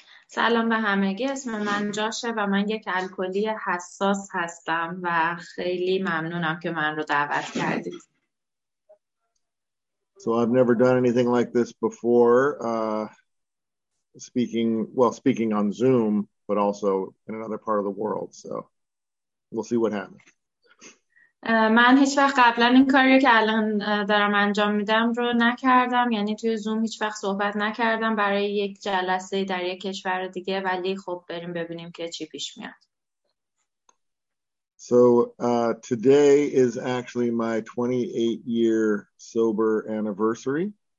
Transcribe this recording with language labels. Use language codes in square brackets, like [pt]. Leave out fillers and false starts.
[fa] سلام به همگی، اسم من جاشه و من یک الکلی حساس هستم و خیلی ممنونم که من رو دعوت کردید. [en] So I've never done anything like this before, speaking on Zoom, but also in another part of the world. So we'll see what happens. [fa] من هیچ وقت قبلا این کاری که الان دارم انجام میدم رو نکردم، یعنی توی زوم هیچ وقت صحبت نکردم برای یک جلسه در یک کشور دیگه، ولی خب بریم ببینیم که چی پیش میاد. [en] So today is actually my 28 year sober anniversary.